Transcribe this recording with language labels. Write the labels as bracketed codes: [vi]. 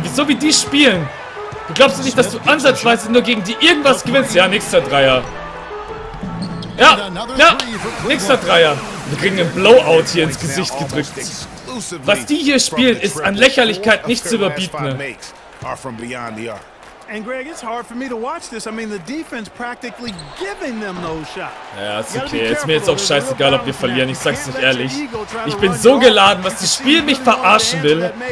[de] Wieso wie die spielen? Du glaubst nicht, dass du ansatzweise nur gegen die irgendwas gewinnst? Ja, nächster Dreier. Ja, ja, nächster Dreier. Wir kriegen einen Blowout hier ins Gesicht gedrückt. Was die hier spielen, ist an Lächerlichkeit nicht zu überbieten. [en] And Greg, it's hard for me to watch this. I mean, the defense practically giving them those shots. [de] Ja, ist okay. Ist mir jetzt auch scheißegal, ob wir verlieren. Ich sag's euch ehrlich. Ich bin so geladen, was das Spiel mich verarschen will.